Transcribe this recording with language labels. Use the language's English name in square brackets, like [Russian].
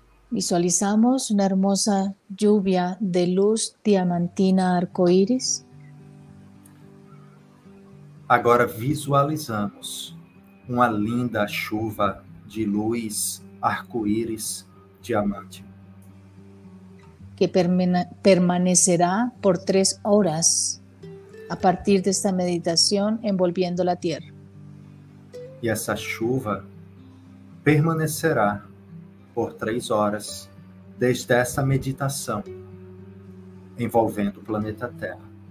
[Spanish] Visualizamos una hermosa lluvia de luz diamantina arcoíris. [Portuguese] Agora visualizamos uma linda chuva de luz arco-íris diamante. [Spanish] Que permanecerá por 3 horas a partir de esta meditación envolviendo la Tierra. [Portuguese] E essa chuva permanecerá por 3 horas, desde essa meditação, envolvendo o planeta Terra.